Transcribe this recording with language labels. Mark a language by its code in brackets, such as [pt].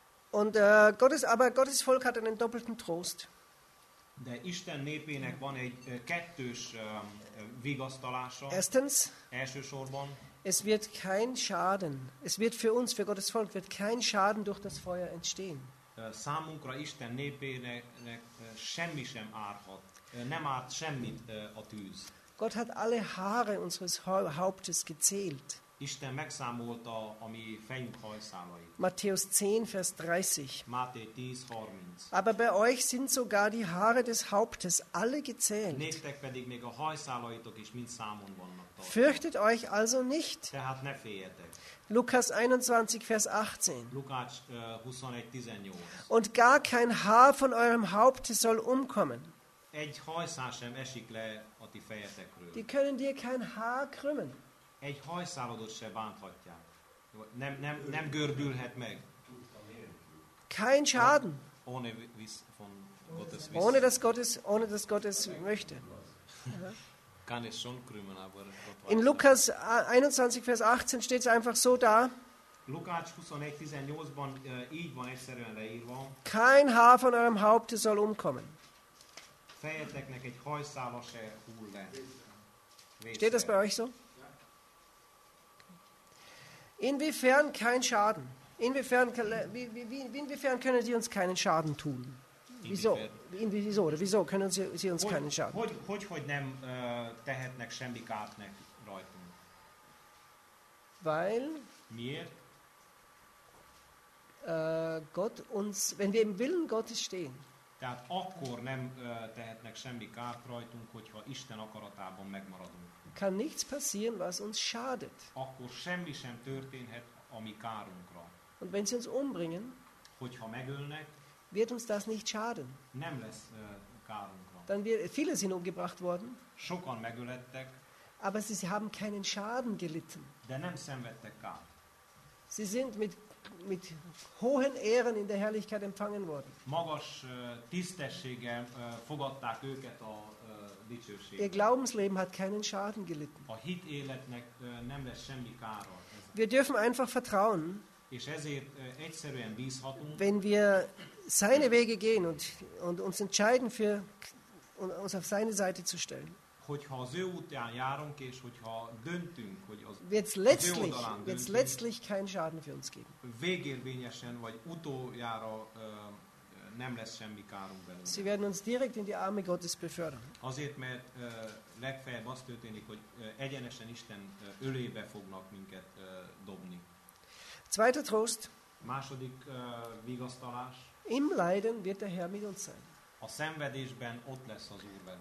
[de] Und Gottes Volk hat einen doppelten Trost. [hu] De Isten népének van egy kettős vigasztalása. [de] Erstens, [hu] elsősorban, [de] es wird kein Schaden, es wird für uns, für Gottes Volk, wird kein Schaden durch das Feuer entstehen. [hu] Számunkra Isten népének semmi sem árhat. Nem árt semmit a tűz. [de] Gott hat alle Haare unseres Hauptes gezählt. [hu] Isten megszámolta a mi fejünk hajszálait. [de] Matthäus 10, Vers 30. [hu] Máté 10, 30. [de] Aber bei euch sind sogar die Haare des Hauptes alle gezählt. [hu] Néktek pedig még a hajszálaitok is mind számon vannak. [de] Fürchtet euch also nicht. [hu] Tehát ne féljetek. [de] Lukas 21, Vers 18. [hu] Lukács 21, 18. [de] Und gar kein Haar von eurem Hauptes soll umkommen. [hu] Egy hajszál sem esik le a ti fejetekről. [de] Die können dir kein Haar krümmen. [hu] Egy hajszálodat se bánthatják. Nem gördülhet meg. [de] Kein Schaden. Ohne Wiss von Gottes Wissen. Ohne dass Gottes möchte. Kann es schon krümmen, aber in Lukas 21, Vers 18 steht es einfach so da. [hu] Lukács 21:18-ban így van egyszerűen leírva. [de] Kein Haar von eurem Haupte soll umkommen. [hu] Fejeteknek egy hajszála se hull le. [de] Steht das bei euch so? Inwiefern kein Schaden? Inwiefern können sie uns keinen Schaden tun? Wieso können sie uns keinen Schaden tun? [hu] Hogy nem tehetnek semmi kárt nekünk rajtunk? [de] Weil? [hu] Miért? [de] Gott uns, wenn wir im Willen Gottes stehen. [hu] Tehát akkor nem tehetnek semmi kárt rajtunk, hogyha Isten akaratában megmaradunk. [de] Kann nichts passieren, was uns schadet. [hu] Akkor semmi sem történhet a mi kárunkra. [de] Und wenn sie uns umbringen, [hu] hogyha megölnek, [de] wird uns das nicht schaden. [hu] Nem lesz kárunkra. [de] Dann viele sind umgebracht worden. [hu] Sokan megölettek. [de] Aber sie haben keinen Schaden gelitten. [hu] De nem szenvedtek kárt. [de] Sie sind mit hohen Ehren in der Herrlichkeit empfangen worden. [hu] Magas tisztességgel fogadták őket a dicsőségben. [de] Ihr Glaubensleben hat keinen Schaden gelitten. [hu] A hit életnek nem lesz semmi kára. [de] Wir dürfen einfach vertrauen. [hu] És ezért egyszerűen bízhatunk. [de] Wenn wir seine Wege gehen und uns entscheiden für und uns auf seine Seite zu stellen. [hu] Hogyha az ő útján járunk, és hogyha döntünk, hogy az [de] wird's letztlich kein Schaden für uns geben. [hu] Végérvényesen, vagy utoljára nem lesz semmi kárunk belőle. [de] Sie werden uns direkt in die Arme Gottes befördern. [hu] Azért, mert legfeljebb az történik, hogy egyenesen Isten ölébe fognak minket dobni. [de] Zweiter Trost. [hu] Második vigasztalás. [de] Im Leiden wird der Herr mit uns sein. [hu] A szenvedésben ott lesz az Úr velünk.